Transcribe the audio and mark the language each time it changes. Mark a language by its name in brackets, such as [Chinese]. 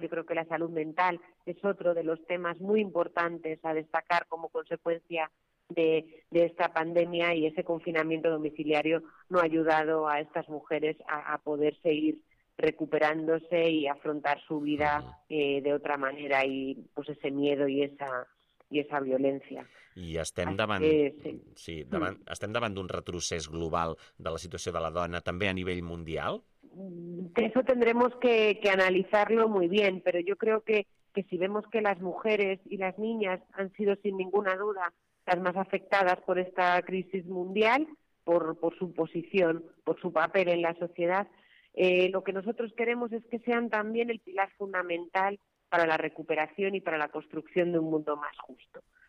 [Spanish] Yo creo que la salud mental es otro de los temas muy importantes a destacar como consecuencia de esta pandemia, y ese confinamiento domiciliario no ha ayudado a estas mujeres a poder seguir recuperándose y afrontar su vida de otra manera, y pues ese miedo y esa violencia. [Catalan] I estem davant, estem davant d'un retrocés global de la situació de la dona també a nivell mundial? [Spanish] Eso tendremos que analizarlo muy bien, pero yo creo que si vemos que las mujeres y las niñas han sido sin ninguna duda las más afectadas por esta crisis mundial, por su posición, por su papel en la sociedad, lo que nosotros queremos es que sean también el pilar fundamental para la recuperación y para la construcción de un mundo más justo.